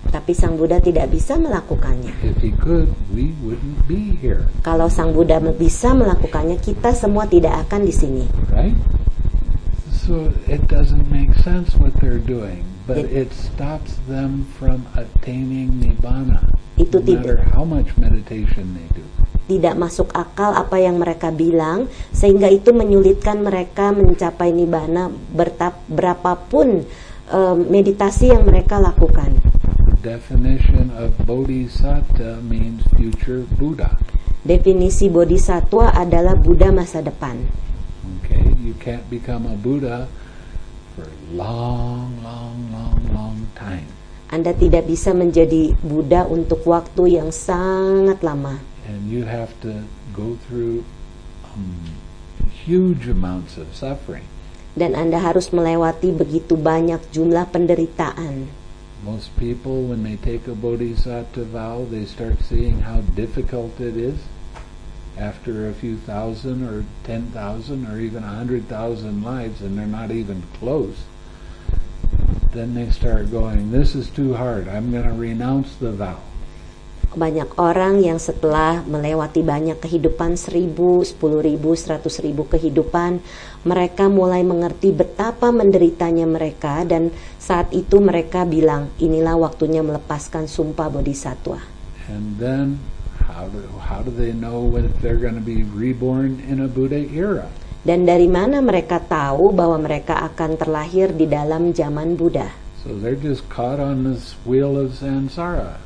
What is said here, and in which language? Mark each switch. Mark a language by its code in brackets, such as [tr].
[id] Tapi Sang Buddha tidak bisa melakukannya. [en] If he could, we wouldn't be here. [id] Kalau Sang Buddha bisa melakukannya, kita semua tidak akan di sini. [en] Right? So it doesn't make sense what they're doing, but it stops them from attaining nirvana. [id] Itu [en] no matter how much meditation they do. [id] Tidak masuk akal apa yang mereka bilang, sehingga itu menyulitkan mereka mencapai nibbana berapapun meditasi yang mereka lakukan. [en] The definition of bodhisattva means future Buddha. [id] Definisi bodhisattva adalah Buddha masa depan. [en] Okay, you can't become a Buddha for long, long, long, long time. [id] Anda tidak bisa menjadi Buddha untuk waktu yang sangat lama. [en] And you have to go through huge amounts of suffering. [id] Dan Anda harus melewati begitu banyak jumlah penderitaan. [en] Most people, when they take a bodhisattva vow, they start seeing how difficult it is. After a few thousand or 10,000 or even 100,000 lives, and they're not even close, then they start going, "This is too hard. I'm going to renounce the vow." [id] Banyak orang yang setelah melewati banyak kehidupan, 1000, 10.000, 100.000 kehidupan, mereka mulai mengerti betapa menderitanya mereka, dan saat itu mereka bilang, inilah waktunya melepaskan sumpah bodhisattva. [en] And then how do they know when they're going to be reborn in a Buddha era? [id] Dan dari mana mereka tahu bahwa mereka akan terlahir di dalam zaman Buddha? [en] So they're just caught on this wheel of samsara.